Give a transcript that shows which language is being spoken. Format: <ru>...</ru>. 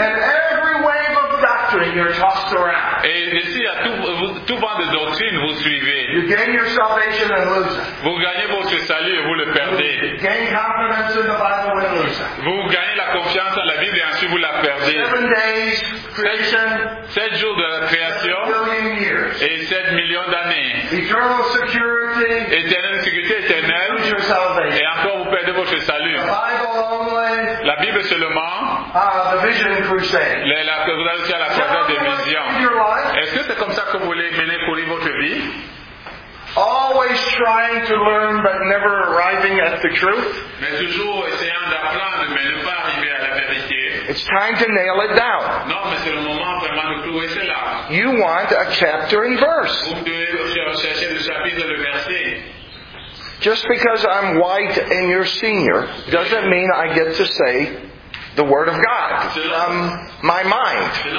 <en>And every wave of doctrine you're tossed around.</en> <fr>Et ici, à tout vent de doctrine, vous suivez.</fr> <en>You gain your salvation and lose it.</en> <fr>Vous gagnez votre salut et vous le perdez.</fr> <en>You gain confidence in the Bible and lose it.</en> <fr>Vous gagnez la confiance en la Bible et ensuite vous la perdez.</fr> <en>7 days, creation,</en> <fr>7 jours de la création. Et 7 millions d'années.</fr> <en>Eternal security.</en> <fr>Éternelle sécurité éternelle. Et encore vous perdez votre salut. La Bible seulement.</fr> <en>The vision crusade.</en> <fr>Vous avez aussi la croisade des visions. Est-ce que c'est comme ça que vous voulez mener pour vivre votre vie?</fr> <en>Always trying to learn but never arriving at the truth.</en> <fr>Mais toujours essayant d'apprendre mais ne pas arriver à la vérité.</fr> <en>It's time to nail it down.</en> <fr>Non, mais c'est le moment vraiment de clouer cela.</fr> <en>You want a chapter and verse.</en> <fr>Vous devez chercher le chapitre et le verset.</fr> <en>Just because I'm white and you're senior doesn't mean I get to say the word of God from my mind.</en>